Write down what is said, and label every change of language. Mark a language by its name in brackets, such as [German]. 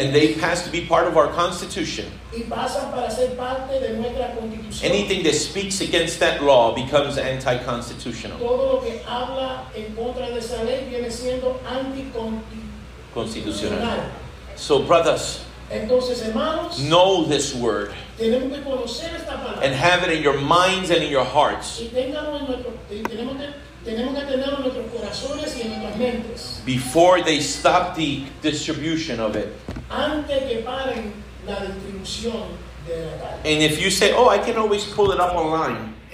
[English] and they pass to be part of our constitution, [Spanish] y pasan para ser parte de nuestra constitución, [English] anything that speaks against that law becomes anti-constitutional. [Spanish] Todo lo que habla en contra de esa ley viene siendo anticonstitucional. [English] So, brothers, [Spanish] entonces, hermanos, [English] know this word. [Spanish] Tenemos que conocer esta palabra. [English] And have it in your minds and in your hearts. [Spanish] Y tenganlo en nuestro, tenemos que tenerlo en nuestros corazones y en nuestras mentes. [English] Before they stop the distribution of it. [Spanish] Antes que paren la distribución de la carne. [English] And if you say, oh, I can always pull it up online.